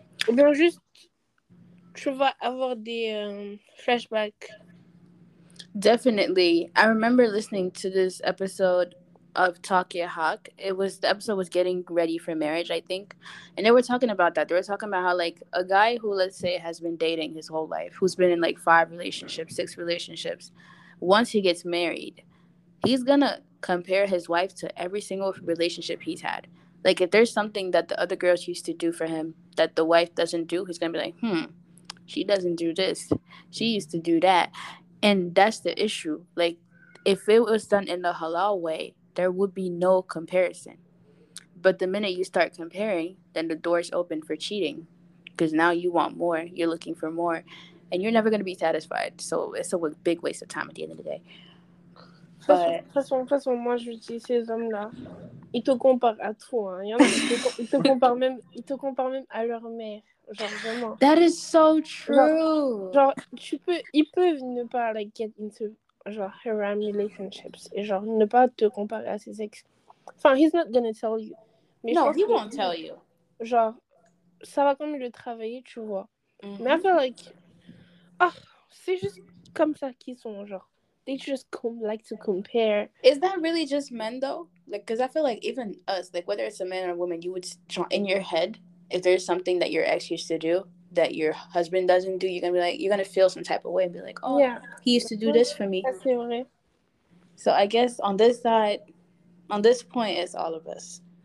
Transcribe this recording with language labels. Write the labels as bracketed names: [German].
[French] Ou bien juste, tu vas avoir des flashbacks. [English] Definitely. I remember listening to this episode of Talk Your Hawk. It was, the episode was Getting Ready for Marriage, I think. And they were talking about that. They were talking about how, like, a guy who, let's say, has been dating his whole life, who's been in, like, 5 relationships, 6 relationships, once he gets married, he's gonna compare his wife to every single relationship he's had. Like, if there's something that the other girls used to do for him that the wife doesn't do, he's gonna be like, she doesn't do this. She used to do that. And that's the issue. Like, if it was done in the halal way, there would be no comparison. But the minute you start comparing, then the door's open for cheating. Because now you want more. You're looking for more. And you're never going to be satisfied. So it's a big waste of time at the end of the day. [French] De toute façon, moi, je dis ces hommes-là, ils te comparent à toi. Hein. Ils te comparent même à leur mère. Genre, vraiment. [English] That is so true. [French] Ils peuvent ne pas, like, [English] get into... [French] genre haram relationships et genre ne pas te comparer à ses ex. [English] Enfin, he's not gonna tell you. Mais no, he won't tell you. [French] Genre, ça va quand même le travailler, tu vois. Mais [English] I feel like, [French] oh, c'est juste comme ça qu'ils sont, genre. [English] They just like to compare. Is that really just men, though? Like, because I feel like even us, like, whether it's a man or a woman, you would, in your head, if there's something that your ex used to do, that your husband doesn't do, you're gonna be like, you're gonna feel some type of way and be like, oh yeah, he used to do this for me. So I guess on this side, on this point, it's all of us.